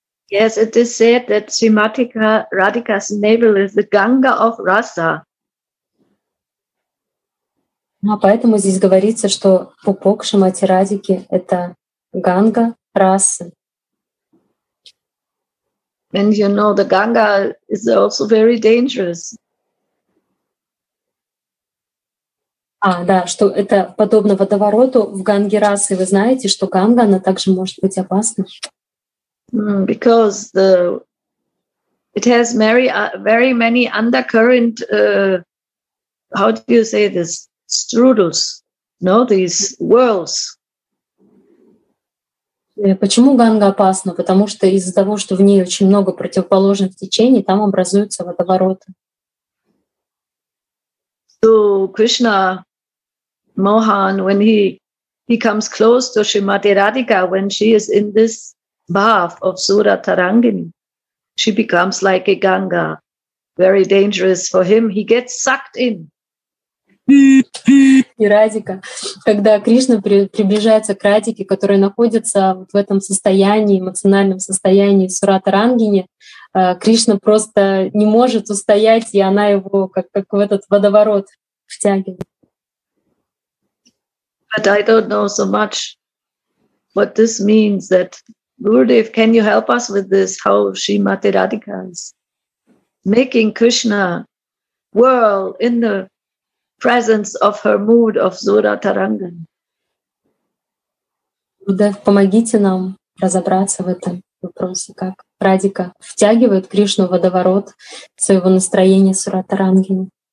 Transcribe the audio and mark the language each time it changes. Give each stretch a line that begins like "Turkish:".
English: Yes, it is said that Srimati Radhika's navel is the Ganga of Rasa.
Russian: Ну, поэтому здесь говорится, что пупок Шримати Радхики — это Ганга Расы.
English: And you know the Ganga is also very dangerous.
Russian: А, да, что это подобно водовороту в Ганге Расы. Вы знаете, что Ганга, она также может быть опасной.
English: Because the It has very, very many undercurrent, how do you say this, strudels, no, these whirls.
Russian: Почему Ганга опасна? Потому что из-за того, что в ней очень много противоположных течений, там образуются водовороты.
English: So Krishna Mohan, when he comes close to Srimati Radhika, when she is in this bath of Sura Tarangini, she becomes like a Ganga, very dangerous for him. He gets sucked in.
Russian: И Радика, когда Кришна приближается к Радике, которая находится вот в этом состоянии, эмоциональном состоянии Сура Тарангини, Кришна просто не может устоять, и она его как в этот водоворот втягивает.
English: But I don't know so much what this means. That Gurudev, can you help us with this? How Srimati Radhika is making Krishna whirl in the presence of her mood of Sura Tarangini?
Russian: Gurudev, помогите нам разобраться в этом вопросе, как Радика втягивает Кришну в водоворот своего настроения Сура Тарангини.